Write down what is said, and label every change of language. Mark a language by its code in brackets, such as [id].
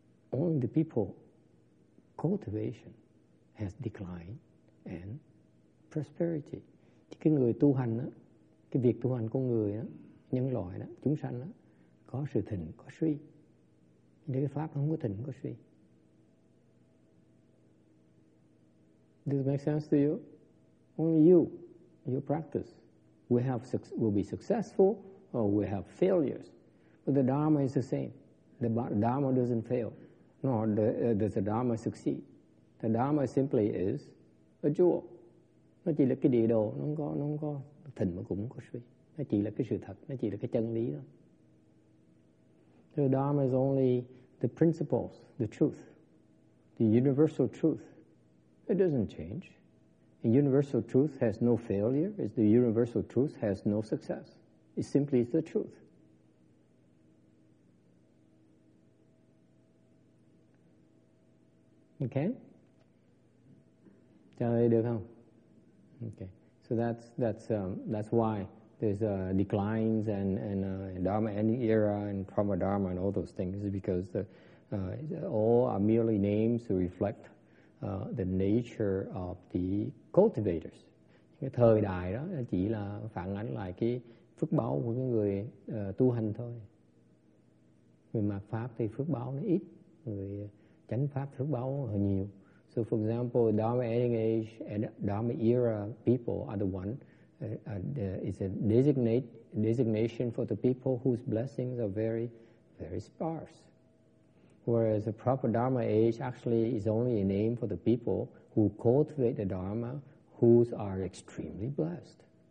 [en] Only the people cultivation has declined and prosperity. [vi] Thì cái người tu hành á, cái việc tu hành của người á, nhân loại đó, chúng sanh đó, có sự thịnh có suy. Nếu cái pháp không có thịnh có suy. [en] Does it make sense to you? Only you, your practice, will be successful or will have failures. But the Dharma is the same. The Dharma doesn't fail, nor does the Dharma succeed. The Dharma simply is a jewel. [vi] Nó chỉ là cái địa đồ, nó không có thịnh mà cũng không có suy. Nó chỉ là cái sự thật, nó chỉ là cái chân lý đó. [en] The Dharma is only the principles, the truth, the universal truth. It doesn't change. The universal truth has no failure. It's the universal truth has no success. It simply is the truth. Okay? [vi] Trả lời được không? Okay. [en] So that's why there's declines and Dharma and era and Karma Dharma and all those things, because all are merely names to reflect the nature of the cultivators. [vi] Cái thời đại đó chỉ là phản ánh lại cái phước báo của cái người tu hành thôi. Người mạt pháp thì phước báo nó ít, người chánh pháp phước báo nó nhiều. [en] So for example, Dharma ending age and Dharma era people are the one is a designation for the people whose blessings are very, very sparse. Whereas the proper Dharma age actually is only a name for the people who cultivate the Dharma, whose are extremely blessed.